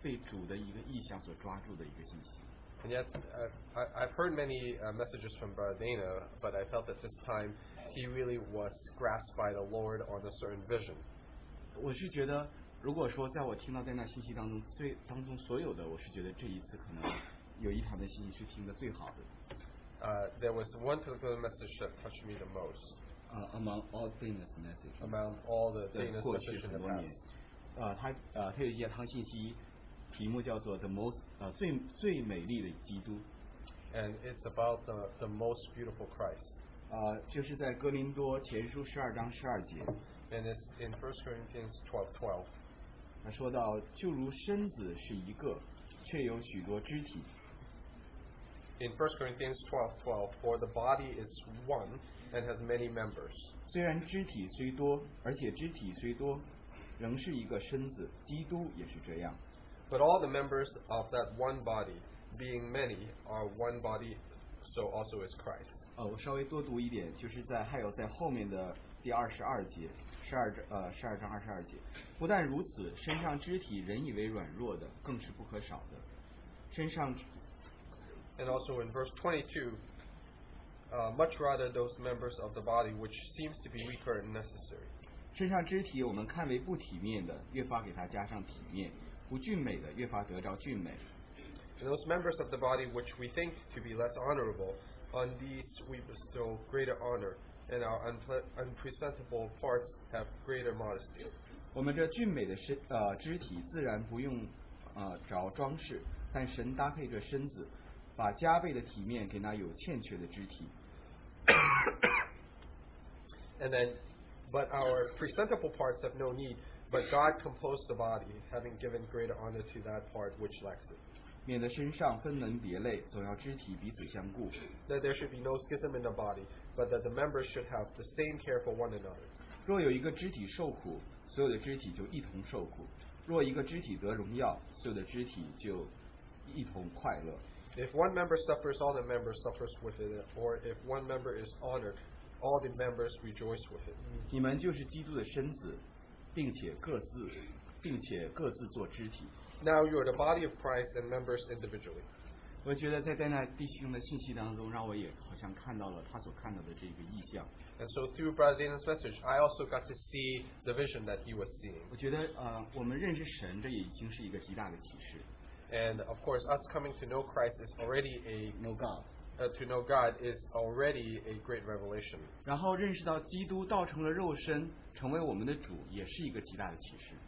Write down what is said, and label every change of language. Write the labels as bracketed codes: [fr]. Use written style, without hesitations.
[zh] 但是我觉得这一次他的信息的分享是我听到好像,我自己感觉里是我看到好像他被主的一个意象所抓住的一个信息。 [en] And yet, I've heard many messages from Brother Dana, but I felt that this time he really was grasped by the Lord on a certain vision. [zh] 我是觉得, 如果说在我听到戴娜信息当中最当中所有的，我是觉得这一次可能有一堂的信息是听得最好的。 [en] There was one particular message that touched me the most. Among all Dana's messages. Among all the Dana's messages in the past. [zh] 他有一堂信息，题目叫做 [en] The Most [zh] 最美丽的基督。 [en] And it's about the most beautiful Christ. [zh] 就是在哥林多前书十二章十二节。 [en] And it's in 1 Corinthians 12:12. [zh] 他说到，就如身子是一个，却有许多肢体。 [en] In 1 Corinthians 12:12, for the body is one and has many members. [zh] 虽然肢体虽多，而且肢体虽多，仍是一个身子，基督也是这样。 [en] But all the members of that one body, being many, are one body, so also is Christ. [zh] 我稍微多读一点，就是在还有在后面的第二十二节，十二章二十二节。不但如此，身上肢体人以为软弱的，更是不可少的。身上。 [en] And also in verse 22, much rather those members of the body which seems to be weaker and necessary. [zh] 身上肢体我们看为不体面的，越发给它加上体面；不俊美的，越发得着俊美。 [en] And those members of the body which we think to be less honorable, on these we bestow greater honor, and our unpresentable parts have greater modesty. [zh] 我们这俊美的肢体自然不用着装饰，但神搭配着身子。把加倍的体面给那有欠缺的肢体。 [en] And then, but our presentable parts have no need, but God composed the body, having given greater honor to that part which lacks it. [zh] 免得身上分门别类，总要肢体彼此相顾。 [en] That there should be no schism in the body, but that the members should have the same care for one another. [zh] 若有一个肢体受苦，所有的肢体就一同受苦；若一个肢体得荣耀，所有的肢体就一同快乐。 [en] If one member suffers, all the members suffer with it. Or if one member is honored, all the members rejoice with it. [zh] 你们就是基督的身子，并且各自做肢体。 [en] Now you are the body of Christ and members individually. [zh] 我觉得在戴娜弟兄的信息当中，让我也好像看到了他所看到的这个意象。 [en] And so through Brother Dana's message, I also got to see the vision that he was seeing. [zh] 我觉得我们认识神，这也已经是一个极大的启示。 [en] And of course, us coming to know Christ is already a know God. To know God is already a great revelation. [zh] 然后认识到基督道成了肉身，成为我们的主，也是一个极大的启示。